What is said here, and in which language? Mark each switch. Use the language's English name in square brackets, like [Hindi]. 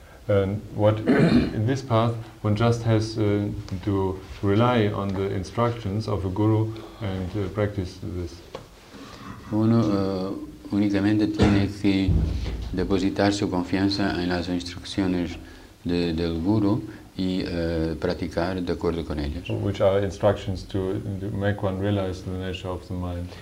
[English] And what in this path one just has to rely on the instructions of a guru and practice this. [Spanish] Uno únicamente tiene que depositar su confianza en las instrucciones del guru y practicar de acuerdo con ellas. [English] Which are instructions to make one realize the nature of the mind.